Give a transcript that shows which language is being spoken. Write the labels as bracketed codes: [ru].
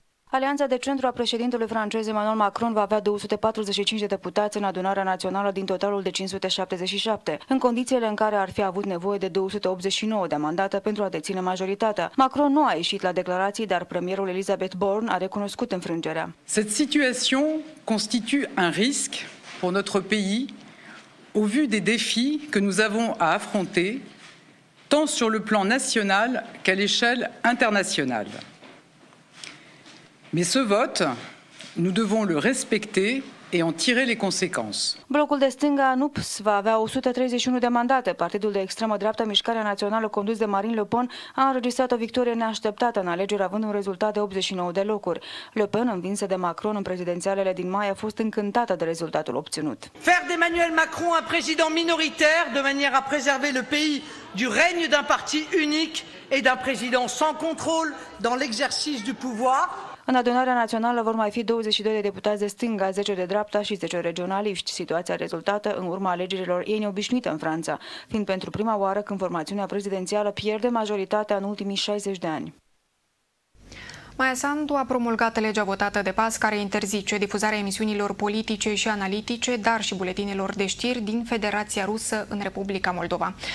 [ro] Alianța de centru a președintelui francez Emmanuel Macron va avea 245 de deputați în adunarea națională din totalul de 577, în condițiile în care ar fi avut nevoie de 289 de mandate pentru a deține majoritatea. Macron nu a ieșit la declarații, dar premierul Elizabeth Borne a recunoscut înfrângerea. [fr] Cette situation constitue un risque pour notre pays au vu des défis que nous avons à affronter tant sur le plan national qu'à l'échelle internationale. Mais ce vote, nous devons le respecter et en tirer les conséquences. [ro] Blocul de stânga NUPS va avea 131 de mandate. Partidul de extremă dreaptă Mișcarea Națională, condus de Marine Le Pen, a înregistrat o victorie neașteptată în alegeri, având un rezultat de 89 de locuri. Le Pen, învinsă de Macron în prezidențialele din mai, a fost încântată de rezultatul obținut. [fr] Faire d'Emmanuel Macron un président minoritaire de manière à préserver le pays du règne d'un parti unique et d'un président sans contrôle dans l'exercice du pouvoir. [ro] În adunarea națională vor mai fi 22 de deputați de stânga, 10 de dreapta și 10 regionaliști, situația rezultată în urma alegerilor ei neobișnuite în Franța, fiind pentru prima oară când formațiunea prezidențială pierde majoritatea în ultimii 60 de ani. Maia Sandu a promulgat legea votată de PAS care interzice difuzarea emisiunilor politice și analitice, dar și buletinelor de știri din Federația Rusă în Republica Moldova.